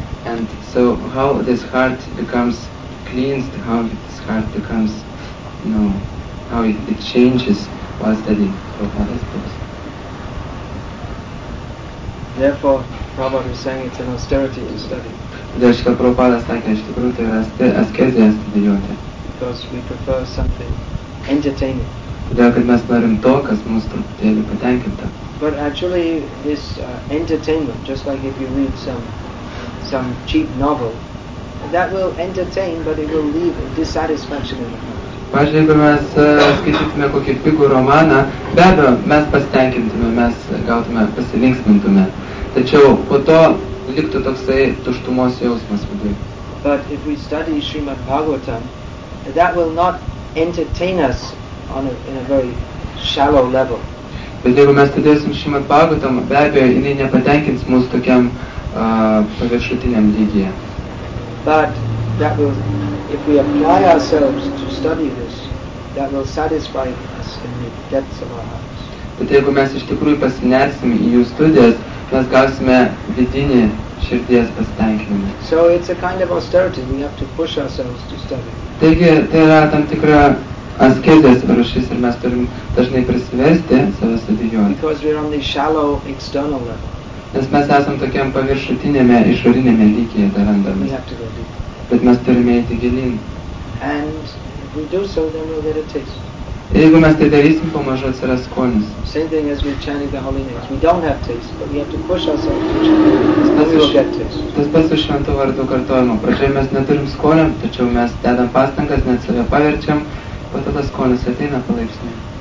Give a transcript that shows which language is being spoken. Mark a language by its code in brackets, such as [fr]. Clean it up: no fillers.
[en] And so how this heart becomes cleansed, how this heart becomes, you know, how it changes while studying Prabhupada's books. Therefore, Prabhupada is saying it's an austerity to study. [lt] Dėl šito Prabhupada sakė, iš tikrųjų, tai yra askezija studijuoti. [en] Because we prefer something entertaining. [lt] Todėl, kad mes norim to, kas mus truputėlį patenkinta. [en] But actually, this entertainment, just like if you read some cheap novel, that will entertain, but it will leave a dissatisfaction in the heart. [lt] Pavyzdžiui, jeigu mes skaitytume kokį pigų romaną, be abejo, mes pasitenkintume, mes gautume, pasilinksmintume. Tačiau po to liktų toksai tuštumos jausmas viduje. [en] But if we study Srimad Bhagavatam, that will not entertain us in a very shallow level. [lt] Bet jeigu mes studijuosim Srimad Bhagavatam, be abejo, jinai nepatenkins mūsų tokiam paviršutiniam lygyje. [en] But that will, if we apply ourselves to study this, that will satisfy us in the depths of our hearts. [lt] Bet jeigu mes iš tikrųjų pasinersim į jų studijas, mes gausime vidinį širdies pasitenkinimą. [en] So it's a kind of austerity, we have to push ourselves to study. [lt] Taigi, tai yra tam tikra askezės rūšis ir mes turim dažnai prisivesti savęs abejonę. [en] Because we're on the shallow external level. [lt] Nes mes esam tokiam paviršutinėme, išorinėme lygyje dar randami. [en] We have to go deep. [lt] Bet mes turime eiti gilin. [en] And if we do so, then we'll get a taste. [lt] Jeigu mes tai darysim, pamažu atsiras skonis. [en] Same thing as we're chanting the holy names. We don't have taste, but we have to push ourselves to chant. We'll get taste. [lt] Tas pats su šventu vardu kartojimu. Pradžioje mes neturim skonio, tačiau mes dedam pastangas, net save paverčiam, po to tas skonis ateina palaipsniui.